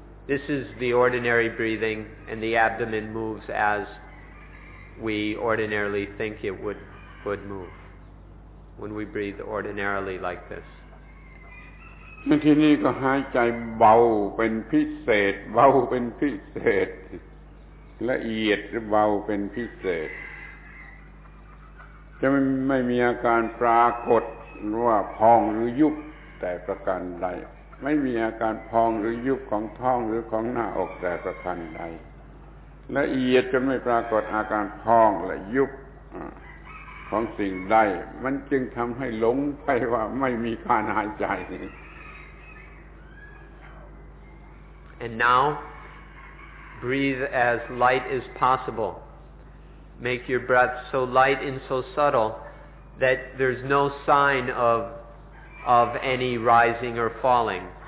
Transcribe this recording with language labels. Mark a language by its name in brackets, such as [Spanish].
[English] This is the ordinary breathing, and the abdomen moves as we ordinarily think it would move when we breathe ordinarily like this. [Thai] ที่นี่ก็หายใจเบาเป็นพิเศษเบาเป็นพิเศษละเอียดหรือเบาเป็นพิเศษจะไม่มีอาการปรากฏว่าพองหรือยุบแต่ประการใดไม่มีอาการพองหรือยุบของท้องหรือของหน้าอกแต่ประการใดละเอียดจะไม่ปรากฏอาการพองและยุบของสิ่งใดมันจึงทำให้หลงไปว่าไม่มีการหายใจ [English] And now breathe as light as possibleMake your breath so light and so subtle that there's no sign of any rising or falling.